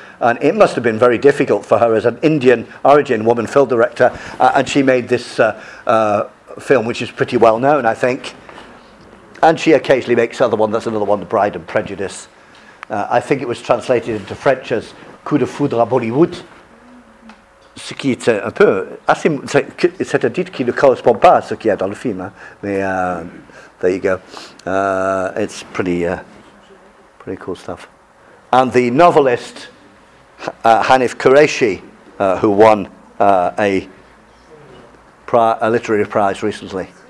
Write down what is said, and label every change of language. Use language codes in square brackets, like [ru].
[en] And it must have been very difficult for her as an Indian origin woman film director. And she made this film, which is pretty well known, I think. And she occasionally makes other one. That's another one, The Bride and Prejudice. I think it was translated into French as Coup de Foudre à Bollywood. [fr] Ce qui est un peu... C'est un titre qui ne correspond pas à ce qu'il y a dans le film. [en] Mais there you go. It's pretty cool stuff. and the novelist Hanif Qureshi, who won a literary prize recently.